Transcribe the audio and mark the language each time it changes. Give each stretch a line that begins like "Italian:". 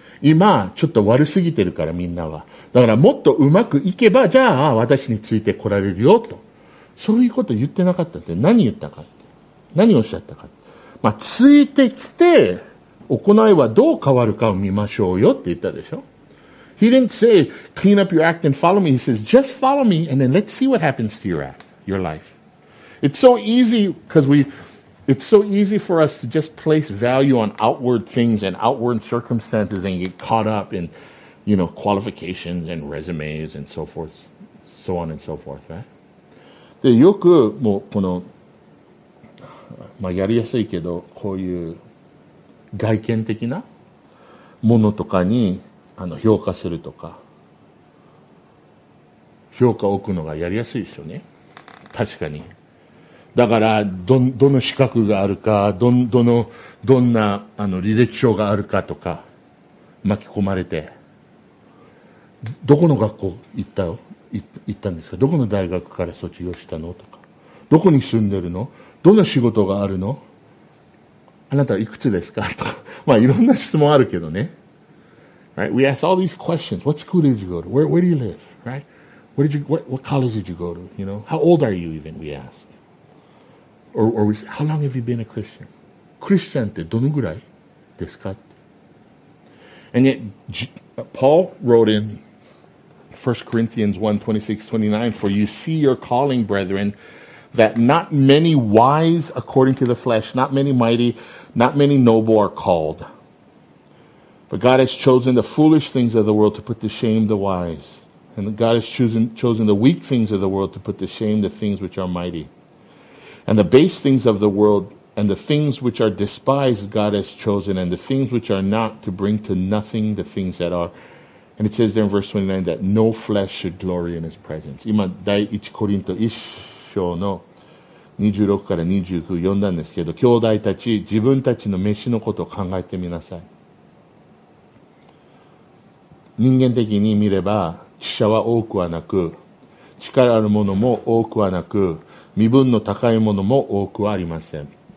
Japanese: 今、ちょっと悪すぎてるからみんなは。だからもっとうまくいけば、じゃあ私について来られるよと。そういうこと言ってなかったって、何言ったかって、何をおっしゃったかって、まあついてきて行いはどう変わるかを見ましょうよって言ったでしょ。
English: He didn't say clean up your act and follow me. He says just follow me and then let's see what happens to your act, your life. It's so easy because it's so easy for us to just place value on outward things and outward circumstances and get caught up in, you know, qualifications and resumes and so forth, so on and so forth, right?
Japanese: で、よく、もう、この、まあ、やりやすいけど、こういう、外見的なものとかに、評価するとか、評価を置くのがやりやすいでしょうね。確かに。だから、どの資格があるか、どんな、履歴書があるかとか、巻き込まれて、どこの学校行ったよ。言ったんですか、どこの大学から卒業したのとか、どこに住んでるの、どの仕事があるの、あなたはいくつですかとか、まあいろんな質問あるけどね、
English: Right? We ask all these questions. What school did you go to? Where do you live? Right? What did you what college did you go to? You know? How old are you even? We ask. Or we say, how long have you been a Christian?
Japanese: Christian te dono gurai desu ka?
English: And yet Paul wrote in 1 Corinthians 1:26, 29, for you see your calling, brethren, that not many wise according to the flesh, not many mighty, not many noble are called. But God has chosen the foolish things of the world to put to shame the wise. And God has chosen the weak things of the world to put to shame the things which are mighty. And the base things of the world and the things which are despised God has chosen, and the things which are not to bring to nothing the things that are. And it says there in verse 29 that no flesh should glory in his presence.
Japanese: 今第一コリント一章の26から29を読んだんですけど、兄弟たち、自分たちの飯のことを考えてみなさい。人間的に見れば、知者は多くはなく、力ある者も多くはなく、身分の高い者も多くはありません。